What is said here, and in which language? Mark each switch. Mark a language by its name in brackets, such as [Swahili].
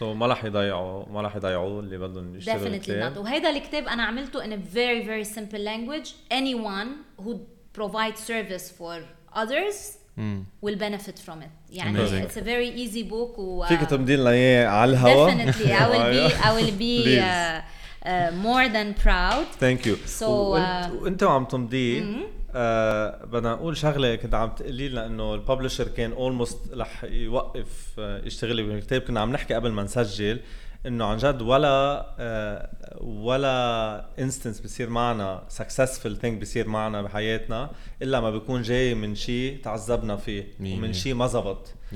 [Arabic] So ما راح يضيعوا اللي بده يشتري. [English] Definitely not. [Arabic] وهذا الكتاب أنا عملته [English] in a very very simple language. Anyone who provide service for others will benefit from it. [Arabic] يعني [English] amazing. It's a very easy book. [Arabic] فيك تمدين لي على الهواء. [English] Definitely, I will be more than proud. Thank you. [Arabic] So, وانت عم تمدي, بدنا نقول شغلة كنت عم تقلي لنا إنه الببلشر كان almost لح يوقف يشتغل بالكتاب. كنا عم نحكي قبل ما نسجل إنه عن جد ولا instance بيصير معنا [English] successful thing [Arabic] بيصير معنا بحياتنا إلا ما بيكون جاي من شيء تعذبنا فيه ومن شيء ما زبط.